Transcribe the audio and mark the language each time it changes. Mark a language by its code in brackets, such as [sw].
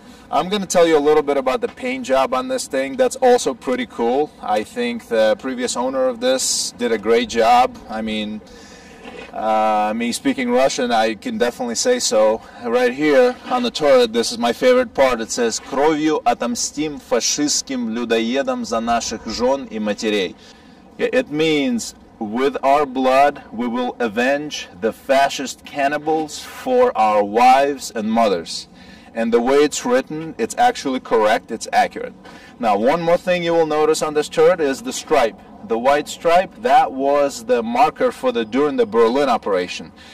[en] I'm going to tell you a little bit about the paint job on this thing. That's also pretty cool. I think the previous owner of this did a great job. I mean, me speaking Russian, I can definitely say so. Right here on the turret, this is my favorite part. [ru] It says, "Кровью отомстим фашистским людоедам за наших жен и матерей." [en] It means, with our blood, we will avenge the fascist cannibals for our wives and mothers. And the way it's written, it's actually correct, it's accurate. Now, one more thing you will notice on this turret is the stripe. The white stripe, that was the marker for the during the Berlin operation.